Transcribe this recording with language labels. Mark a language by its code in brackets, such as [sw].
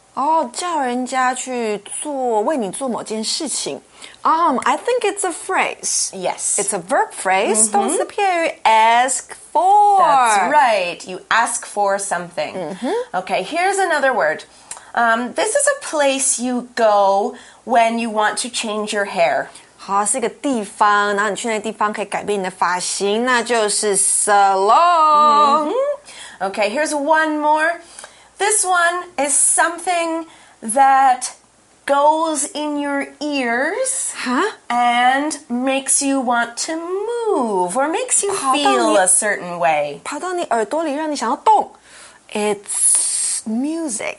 [zh] Oh, 叫人家去做为你做某件事情 [en] I think it's a phrase. Yes. It's a verb phrase. [zh] 动词片语 [en] ask for. That's right. You ask for something. Mm-hmm. Okay, here's another word. This is a place you go when you want to change your hair. [zh] 好，是一个地方，然后你去那个地方可以改变你的发型，那就是 salon. [en] Mm-hmm. Okay, here's one more. This one is something that goes in your ears、 huh? and makes you want to move or makes you feel a certain way. [zh] 跑到你耳朵里让你想要动 [en] It's music.